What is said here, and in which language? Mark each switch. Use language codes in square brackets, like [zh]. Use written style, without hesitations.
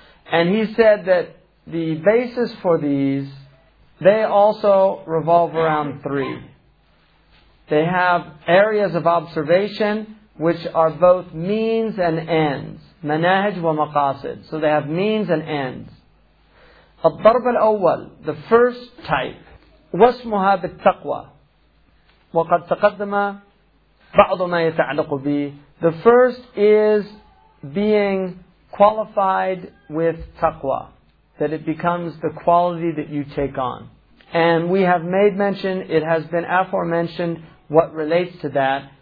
[en] And he said that the basis for these, they also revolve around three. They have areas of observation which are both means and ends. [ar] manahij wa maqasid. [en] So they have means and ends. [ar] الضرب الأول, [en] the first type, [ar] واسمها بالتقوى. وقد تقدم بعض ما يتعلق به. [en] The first is being qualified with taqwa, that it becomes the quality that you take on. And we have made mention, it has been aforementioned, what relates to that.